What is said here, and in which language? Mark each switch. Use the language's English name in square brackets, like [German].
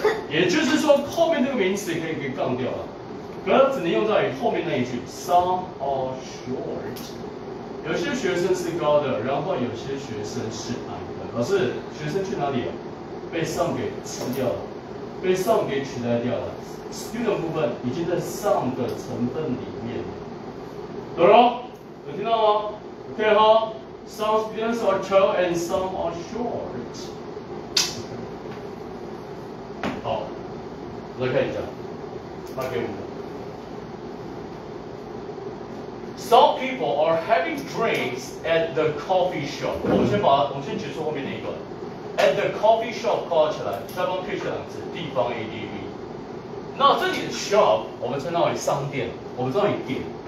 [Chinese] 也就是说，后面这个名词可以杠掉了。可只能用在于后面那一句 [English] some are short， [Chinese] 有些学生是高的，然后有些学生是矮的。老师，学生去哪里了？被 some 给吃掉了，被 some 给取代掉了。 student 部分已经在 some 的成分里面了，懂了？有听到吗？ [English] OK 哈， some students are tall and some are short。 [Chinese] 好，再看一下，发给我们。 [English] Some people are having drinks at the coffee shop. [Chinese] 我先解释后面那一段。 At the coffee shop 括号起来，下方配置两字，地方 ADV。那这里的 shop 我们称它为商店，我们称为店。